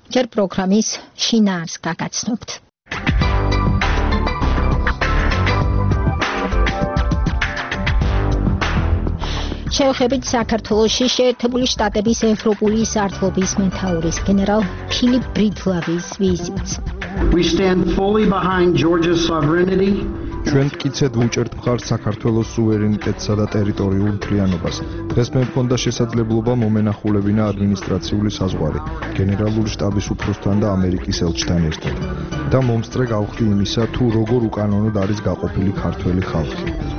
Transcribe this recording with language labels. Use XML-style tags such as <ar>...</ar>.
<ka>ჯერ პროგრამის შინაარს გაგაცნობთ. შევხებით საქართველოში შეერთებული შტატების ევროპული სარდლობის მეთაურის გენერალ ფილიპ ბრიტლავის ვიზიტს.</ka> <en>We stand fully behind Georgia's sovereignty.</en> <ka>ჩვენ მტკიცედ ვუჭერთ მხარს საქართველოს სუვერენიტეტსა და ტერიტორიულ მთლიანობას. დღეს მე მქონდა შესაძლებლობა მომენახულებინა ადმინისტრაციული საზღვარი გენერალური შტაბის უფროსთან და ამერიკის ელჩთან ერთად და მომსწრე გავხდი იმისა, თუ როგორ უკანონოდ არის გაყოფილი ქართველი ხალხი.</ka>